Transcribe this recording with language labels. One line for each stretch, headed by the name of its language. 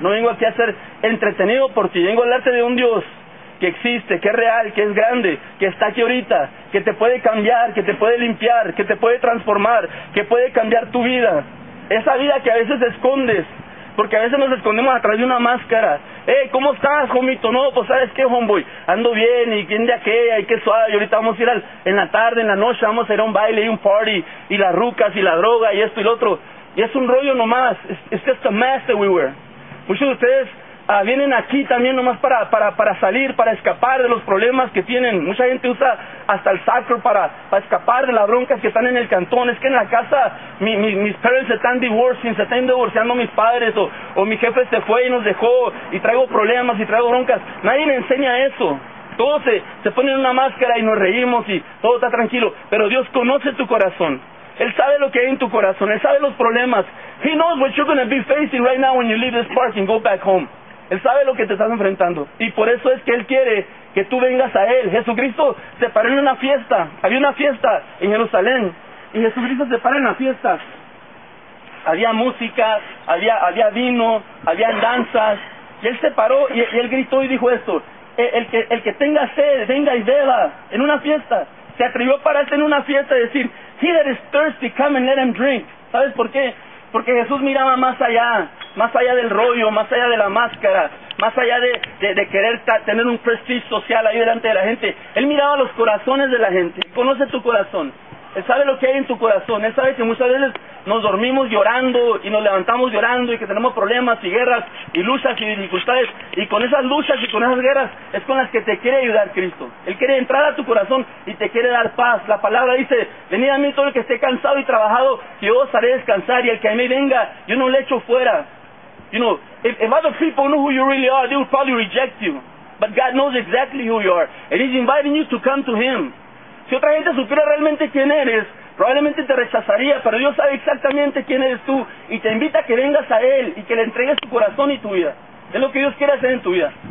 Spanish: No vengo aquí a ser entretenido por ti. Vengo a hablarte de un Dios que existe, que es real, que es grande, que está aquí ahorita, que te puede cambiar, que te puede limpiar, que te puede transformar, que puede cambiar tu vida. Esa vida que a veces escondes, porque a veces nos escondemos atrás de una máscara. ¿Cómo estás, homito? No, pues ¿sabes qué, homeboy? Ando bien, y quién de aquella, y qué suave, y ahorita vamos a ir en la tarde, en la noche, vamos a ir a un baile y un party, y las rucas, y la droga, y esto y lo otro. Y es un rollo nomás,
English: it's just a mess that we wear.
Spanish: Muchos de ustedes vienen aquí también nomás para salir, para escapar de los problemas que tienen. Mucha gente usa hasta el sacro para escapar de las broncas que están en el cantón. Es que en la casa mis parents se están divorciando mis padres, o mi jefe se fue y nos dejó, y traigo problemas y traigo broncas. Nadie le enseña eso. Todos se ponen una máscara y nos reímos y todo está tranquilo. Pero Dios conoce tu corazón. Él sabe lo que hay en tu corazón. Él sabe los problemas.
English: He knows what you're going to be facing right now when you leave this park and go back home.
Spanish: Él sabe lo que te estás enfrentando. Y por eso es que Él quiere que tú vengas a Él. Jesucristo se paró en una fiesta. Había una fiesta en Jerusalén. Y Jesucristo se paró en la fiesta. Había música, había vino, había danzas. Y Él se paró y Él gritó y dijo esto. El que tenga sed, venga y beba en una fiesta. Se atrevió a pararse en una fiesta y decir,
English: He that is thirsty, come and let him drink.
Spanish: ¿Sabes por qué? Porque Jesús miraba más allá del rollo, más allá de la máscara, más allá de querer tener un prestigio social ahí delante de la gente. Él miraba los corazones de la gente. Él conoce tu corazón. Él sabe lo que hay en tu corazón. Él sabe que muchas veces nos dormimos llorando y nos levantamos llorando y que tenemos problemas y guerras y luchas y dificultades. Y con esas luchas y con esas guerras es con las que te quiere ayudar Cristo. Él quiere entrar a tu corazón y te quiere dar paz. La palabra dice, venid a mí todo el que esté cansado y trabajado, que yo os haré descansar, y el que a mí venga, yo no le echo fuera.
English: You know, if other people knew who you really are, they would probably reject you. But God knows exactly who you are. And He's inviting you to come to Him.
Spanish: Si otra gente supiera realmente quién eres, probablemente te rechazaría, pero Dios sabe exactamente quién eres tú y te invita a que vengas a Él y que le entregues tu corazón y tu vida. Es lo que Dios quiere hacer en tu vida.